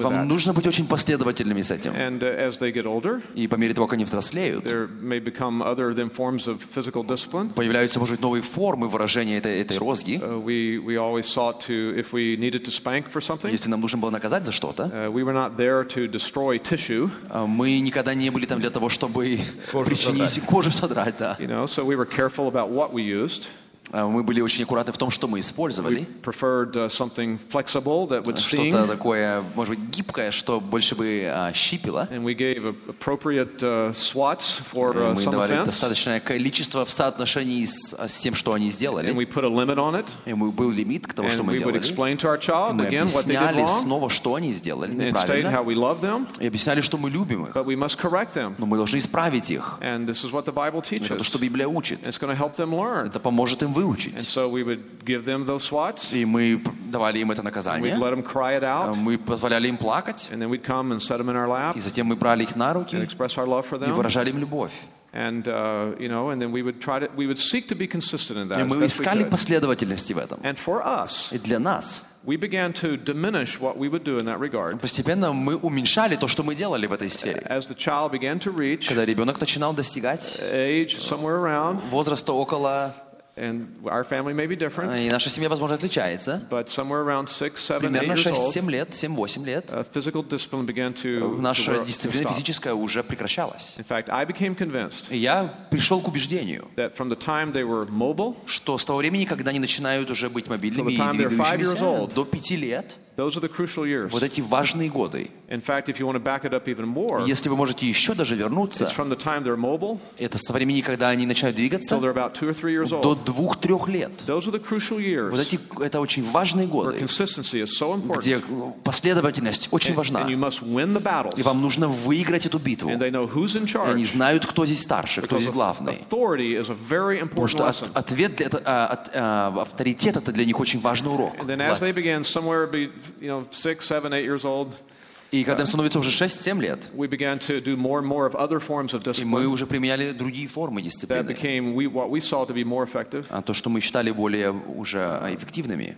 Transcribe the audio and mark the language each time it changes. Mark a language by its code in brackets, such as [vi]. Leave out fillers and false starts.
[ru] И вам нужно быть очень последовательными. [en] And as they get older, [ru] и по мере того, как они взрослеют, [en] there may become other than forms of physical discipline. [ru] Появляются, может быть, новые формы выражения этой розги. [en] We always sought to, if we needed to spank for something, [ru] если нам нужно было наказать за что-то, [en] we were not there to destroy tissue. [ru] Мы никогда не были там для того, чтобы причинить кожу содрать, да. [en] You know, so we were careful about what we used. [ru] Мы были очень аккуратны в том, что мы использовали. Что-то такое, может быть, гибкое, что больше бы щипило. [en] And we gave appropriate swats for some offense. [ru] Мы давали достаточное количество в соотношении с тем, что они сделали. [en] And we put a limit on it. [ru] И был лимит к тому, что мы делали. [en] And we explain to our child again what they did wrong. [ru] Мы объясняли снова, что они сделали неправильно. [en] And state how we love them. [ru] И объясняли, что мы любим их. [en] But we must correct them. [ru] Но мы должны исправить их. [en] And this is what the Bible teaches. [ru] Это то, что Библия учит. [en] It's going to help them learn. [ru] Это поможет им выучить. [en] And so we would give them those swats. [ru] И мы давали им это наказание. [en] We'd let them cry it out. [ru] Мы позволяли им плакать. [en] And then we'd come and set them in our lap. [ru] И затем мы брали их на руки. [en] And express our love for them. [ru] И выражали им любовь. [en] And you know, and then we would try to, we would seek to be consistent in that. [ru] И мы искали последовательности в этом. [en] And for us, [ru] и для нас, [en] we began to diminish what we would do in that regard. [ru] Постепенно мы уменьшали то, что мы делали в этой сфере. [en] As the child began to reach, [ru] когда ребенок начинал достигать [en] age somewhere around, [ru] возраста около. [en] And our family may be different. [ru] И наша семья, возможно, отличается. [en] But somewhere around 6, 7, 8 [ru] примерно 6-7 лет, 7-8 лет, [en] physical discipline began to [ru] наша дисциплина физическая уже прекращалась. [en] In fact, I became convinced. [ru] Я пришел к убеждению, [en] that from the time they were mobile, [ru] что с того времени, когда они начинают уже быть мобильными и двигающимися, до 5 лет, [en] those are the crucial years. [ru] Вот эти важные годы. [en] In fact, if you want to back it up even more, [ru] если вы можете еще даже вернуться, [en] it's from the time they're mobile, [ru] это со времени, когда они начинают двигаться, [en] till they're about 2 or 3 years old, [ru] до 2-3 лет. [en] Those are the crucial years. [ru] Вот эти это очень важные годы. [en] Where consistency is so important. [ru] Где последовательность очень важна. [en] And you must win the battles. [ru] И вам нужно выиграть эту битву. [en] And they know who's in charge. [ru] И они знают, кто здесь старше, кто здесь главный. [en] Authority is a very important lesson. [ru] Потому что ответ для это авторитет это для них очень важный урок. [en] And then as they began somewhere be you know, 6, 7, 8 years old. [ru] И когда им становится уже 6-7 лет, [en] we began to do more and more of other forms of discipline. [ru] И мы уже применяли другие формы дисциплины. [en] That became what we saw to be more effective. [ru] А то, что мы считали более уже эффективными